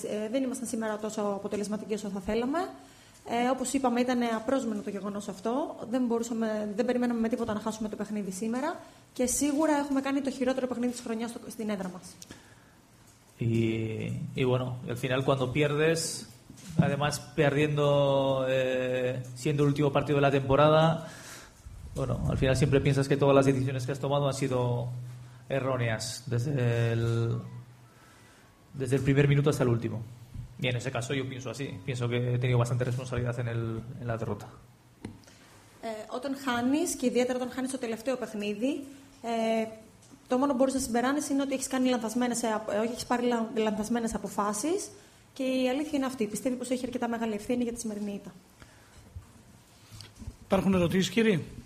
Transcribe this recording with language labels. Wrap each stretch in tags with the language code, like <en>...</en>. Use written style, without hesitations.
<el>Δεν ήμασταν σήμερα τόσο αποτελεσματικοί όσο θα θέλαμε. Όπως είπαμε, ήταν απρόσμενο το γεγονός αυτό. Δεν περιμέναμε με τίποτα να χάσουμε το παιχνίδι σήμερα και σίγουρα έχουμε κάνει το χειρότερο παιχνίδι της χρονιάς στην έδρα μας.</el> <es>Y bueno, al final cuando pierdes, además perdiendo siendo el último partido de la temporada, bueno, al final siempre piensas que todas las decisiones que has tomado han sido erróneas desde el primer minuto hasta el último. Y en ese caso yo pienso así, pienso que he tenido bastante responsabilidad en la derrota.</es> <el>Όταν χάνεις, και ιδιαίτερα όταν χάνεις το τελευταίο παιχνίδι, Το μόνο που μπορείς να συμπεράνεις είναι ότι έχεις κάνει λανθασμένες, όχι έχεις πάρει λανθασμένες αποφάσεις και η αλήθεια είναι αυτή. Πιστεύει πως έχει αρκετά μεγάλη ευθύνη για τη σημερινή ήττα. Υπάρχουν ερωτήσεις, κύριε.</el>